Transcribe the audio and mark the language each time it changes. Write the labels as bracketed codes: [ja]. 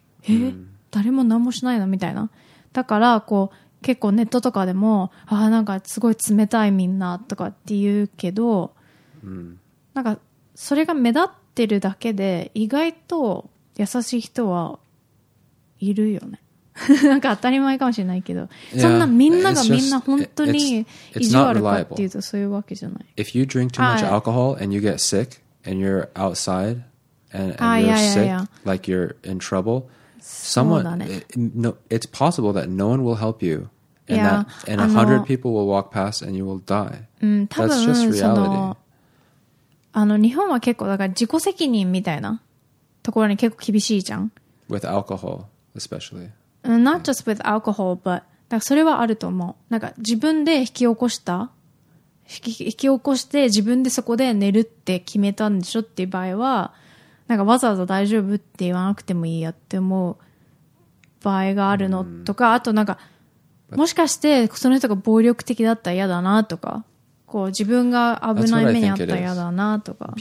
[ja] え、うん、誰も何もしないのみたいな。だからこう結構ネットとかでも、あ、なんかすごい冷たいみんなとかって言うけど、うん、なんかそれが目立ってるだけで意外と優しい人はいるよね。なんか当たり前かもしれないけど、yeah. そんなみんながみんな本当に意地悪かっていうとそういうわけじゃない。 [en] If you drink too much alcohol and you get sick and you're outside and you're sick, like you're in trouble, someone, it's possible that no one will help you and that and 100 people will walk past and you will die. That's just reality. [ja] あの日本は結構だから自己責任みたいなところに結構厳しいじゃん。 [en] With alcohol, especially. Not just with alcohol, but なんかそれはあると思う。 [ja] なんか自分で引き起こした引き起こして自分でそこで寝るって決めたんでしょっていう場合は、なんかわざわざ大丈夫って言わなくてもいいやって思う場合があるのとか、あとなんかもしかしてその人が暴力的だったら嫌だなとか、こう自分が危ない目にあったら嫌だなとか。